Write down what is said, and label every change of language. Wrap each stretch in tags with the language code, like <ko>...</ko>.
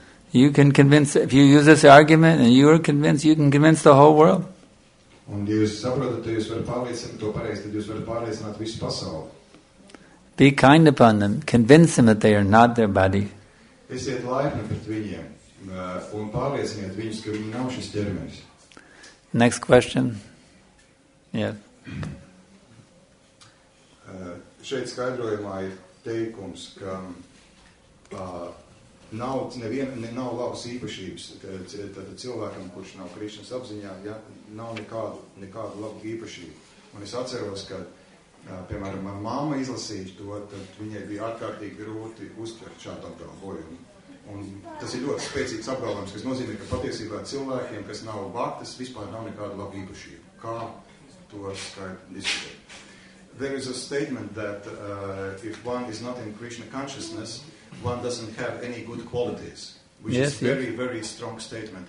<en>You can convince, if you use this argument and you are convinced, you can convince the whole world.</en> <lv>Un jūs saprotat, jūs varat pārliecināt to pareizi, tad jūs varat pārliecināt visu pasauli.</lv> <en>Be kind upon them, convince them that they are not their body.</en> <lv>Esiet laipni pret viņiem, un pārliecināt viņus, ka viņi nav šis ķermenis.</lv> <en>Next question. Yeah.</en> <lv>Šeit skaidrojumā ir teikums, ka nav labas īpašības, tad cilvēkam, kurš nav Krišnas apziņā, ja, nav nekādu labu īpašību. Un es atceros, ka, piemēram, mana māma izlasīja to, tad viņai bija ārkārtīgi grūti uztvert šādu apgalvojumu. Un tas ir ļoti spēcīgs apgalvojums, kas nozīmē, ka patiesībā cilvēkiem, kas nav baktas, vispār nav nekādu labu īpašību. Kā to izskatīt?</lv> <en>There is a statement that if one is not in Krishna consciousness, one doesn't have any good qualities, which is very, very strong statement.</en>